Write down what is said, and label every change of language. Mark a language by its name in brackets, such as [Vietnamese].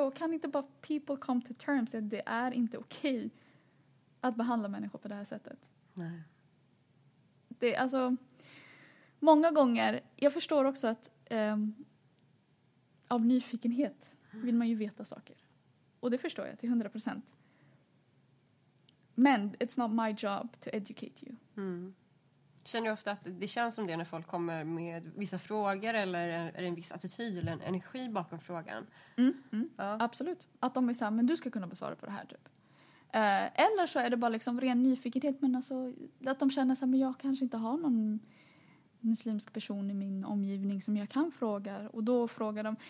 [Swedish] Och kan inte bara [English] people come to terms [Swedish] att det är inte okej att behandla människor på det här sättet? Nej. Det är alltså. Många gånger. Jag förstår också att. Av nyfikenhet vill man ju veta saker. Och det förstår jag till 100%. Men [English] it's not my job to educate you. Mm. [Swedish] Känner du ofta att det känns som det när folk kommer med vissa frågor eller en viss attityd eller en energi bakom frågan? Ja. Absolut. Att de är så här, men du ska kunna besvara på det här typ. Eller så är det bara liksom ren nyfikenhet, men alltså att de känner så här, men jag kanske inte har någon muslimsk person i min omgivning som jag kan fråga. Och då frågar de.